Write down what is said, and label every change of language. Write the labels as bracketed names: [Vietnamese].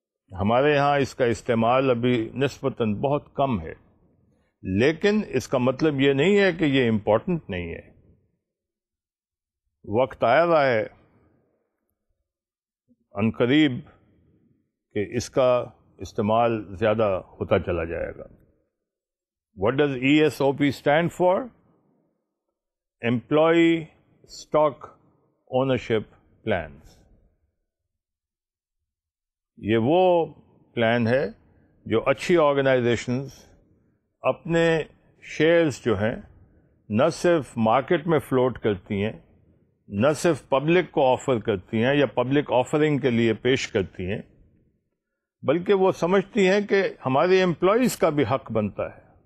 [Urdu] ہمارے یہاں اس کا استعمال ابھی نسبتاً بہت کم ہے, لیکن اس کا مطلب یہ نہیں ہے کہ یہ امپورٹنٹ نہیں ہے. وقت آیا رہا ہے عنقریب کہ اس کا استعمال زیادہ ہوتا چلا جائے گا. [English] What does ESOP stand for? Employee Stock Ownership Plans. [Urdu] یہ وہ پلان ہے جو اچھی آرگنائزیشنز اپنے شیئرز جو ہیں نہ صرف مارکیٹ میں فلوٹ کرتی ہیں, نہ صرف پبلک کو آفر کرتی ہیں یا پبلک آفرنگ کے لیے پیش کرتی ہیں, بلکہ وہ سمجھتی ہیں کہ ہمارے امپلائیز کا بھی حق بنتا ہے.